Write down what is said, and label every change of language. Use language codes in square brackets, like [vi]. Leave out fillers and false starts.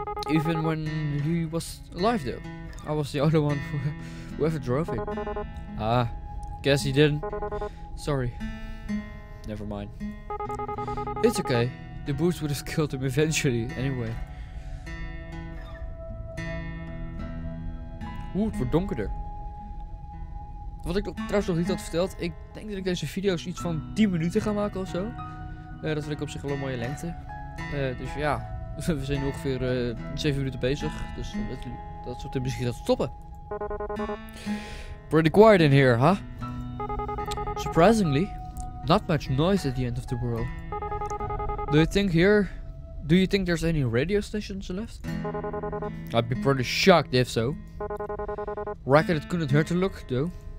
[en] Even when he was alive, though. I was the only one who ever drove it. Ah, guess he didn't. Sorry. Never mind. It's okay. The boots would have killed him eventually, anyway. [nl] Oeh, het wordt donkerder. Wat ik trouwens nog niet had verteld, ik denk dat ik deze video's iets van 10 minuten ga maken of zo. Dat vind ik op zich wel een mooie lengte. Dus ja, we zijn nu ongeveer 7 minuten bezig. Dus dat soort misschien gaat stoppen. [en] Pretty quiet in here, huh? Surprisingly, not much noise at the end of the world. Do you think there's any radio stations left? I'd be pretty shocked if so. Reckon it couldn't hurt to look, though.